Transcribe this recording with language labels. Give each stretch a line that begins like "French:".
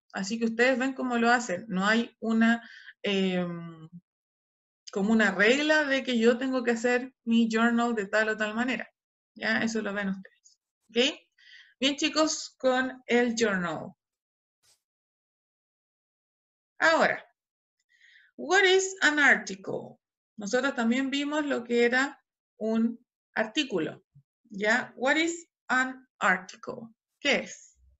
Spanish: Así que ustedes ven cómo lo hacen. No hay una, como una regla de que yo tengo que hacer mi journal de tal o tal manera. Ya, eso lo ven ustedes. ¿Ok? Bien, chicos, con el journal.
English: Ahora, what is an article?
Spanish: Nosotros también vimos lo que era un artículo. ¿Ya?
English: What is an article?
Spanish: ¿Qué es?